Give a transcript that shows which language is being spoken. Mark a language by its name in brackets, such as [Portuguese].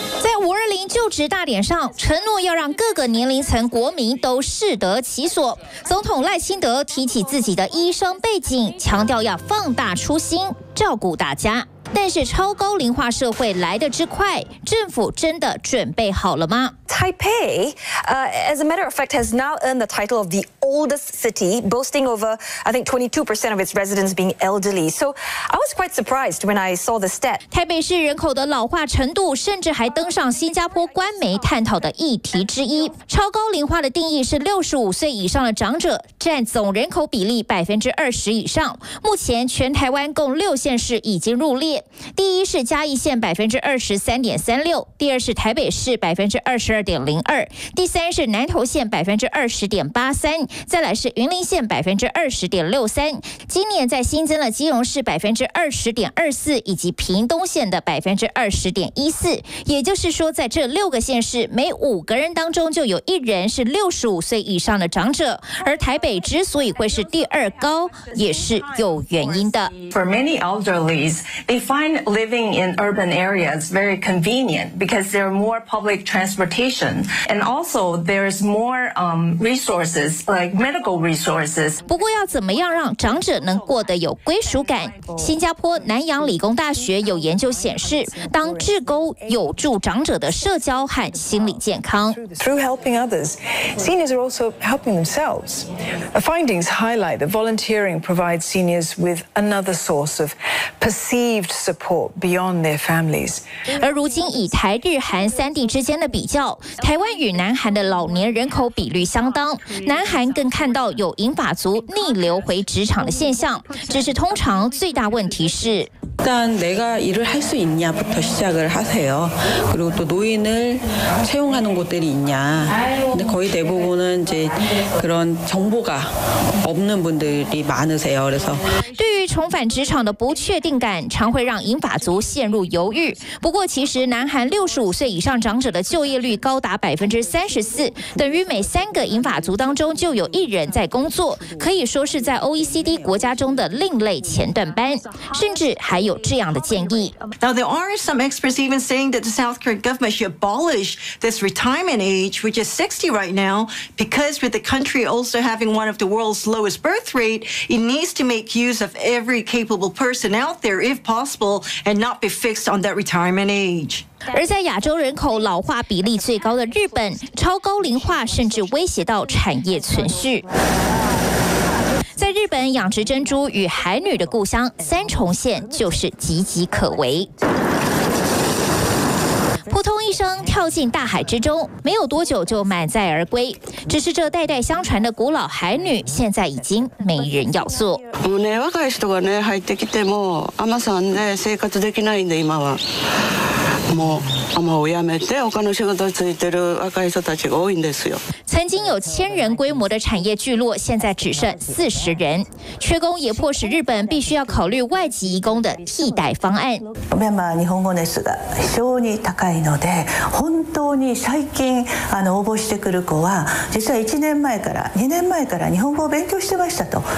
[Chinese] 在520就职大典上，承诺要让各个年龄层国民都适得其所。总统赖清德提起自己的医生背景，强调要放大初心，照顾大家。但是超高龄化社会来得之快，政府真的准备好了吗？ [English] Taipei, as a matter of fact, has now earned the title of the oldest city, boasting over, I think, 22% of its residents being elderly. So I was quite surprised when I saw the stat. [Chinese] 台北市人口的老化程度甚至还登上新加坡官媒探讨的议题之一。超高龄化的定义是65岁以上的长者占总人口比例20%以上。目前全台湾共6县市已经入列，第一是嘉义县23.36%，第二是台北市22.02%，第三是南投县20.83%，再来是云林县20.63%。今年再新增了基隆市20.24%，以及屏东县的20.14%。也就是说，在这6个县市，每5个人当中就有1人是65岁以上的长者。而台北之所以会是第二高，也是有原因的。 [English] For many elderly, they find living in urban areas very convenient because there are more public transportation. And also, there's more resources, like medical resources. [Chinese] 不过要怎么样让长者能过得有归属感？新加坡南洋理工大学有研究显示，当志工有助长者的社交和心理健康。 [English] Through helping others, seniors are also helping themselves. Findings highlight that volunteering provides seniors with another source of perceived support beyond their families. [Chinese] 而如今以台日韩三地之间的比较，台湾与南韩的老年人口比率相当，南韩更看到有银发族逆流回职场的现象，只是通常最大问题是 [Korean] 일단내가일을할수있냐부터시작을하세요그리고또노인을채용하는곳들이있냐근데거의대부분은이제그런정보가없는분들이많으세요그래서 [Chinese] 对于重返职场的不确定感，常会让银发族陷入犹豫。不过，其实南韩65岁以上长者的就业率高达34%，等于每3个银发族当中就有1人在工作，可以说是在 OECD 国家中的另类前段班，甚至还有这样的建议。 [English] Now there are some experts even saying that the South Korean government should abolish this retirement age, which is 60 right now, because with the country also having one of the world's lowest birth rate, it needs to make use of every capable person out there if possible, and not be fixed on that retirement age. [Chinese] 而在亚洲人口老化比例最高的日本，超高龄化甚至威胁到产业存续。在日本养殖珍珠与海女的故乡三重县就是岌岌可危。扑通一声跳进大海之中，没有多久就满载而归。只是这代代相传的古老海女，现在已经没人要做。 [Japanese] もうね、若い人がね、入ってきても、海女さんね、生活できないんで、今は。もう、海女をやめて、他の仕事についてる若い人たちが多いんですよ。 [Chinese] 曾经有千人规模的产业聚落，现在只剩40人。缺工也迫使日本必须要考虑外籍移工的替代方案。 [Japanese] ミャンマー日本語熱が非常に高いので、本当に最近応募してくる子は、実は1年前から2年前から日本語を勉強してましたと。